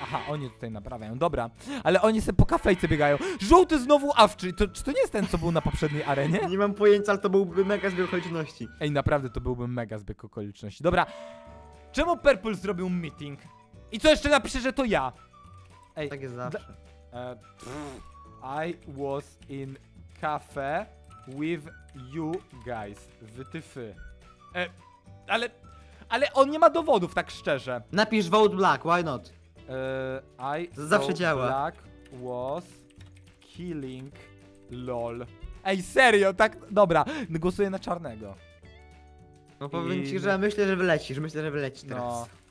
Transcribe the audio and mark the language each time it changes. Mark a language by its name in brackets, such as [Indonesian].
[Polish] Aha, oni tutaj naprawiają, dobra. Ale oni sobie po kafejce biegają. Żółty znowu awczy. Czy to nie jest ten, co był na poprzedniej arenie? Nie mam pojęcia, ale to byłby mega zbieg okoliczności. Ej, naprawdę to byłby mega zbieg okoliczności. Dobra. Czemu Purple zrobił meeting? I co jeszcze napisze, że to ja? Ej, tak jest zawsze. [English] I was in cafe with you guys. [Polish] Wy tyfy. Ale on nie ma dowodów, tak szczerze. Napisz [English] vote black, why not? [Polish] I zawsze działa. [English] Black was killing lol. [Polish] Ej, serio, tak? Dobra, głosuję na czarnego. No powiem ci, że myślę, że wylecisz. Myślę, że wylecisz teraz. No.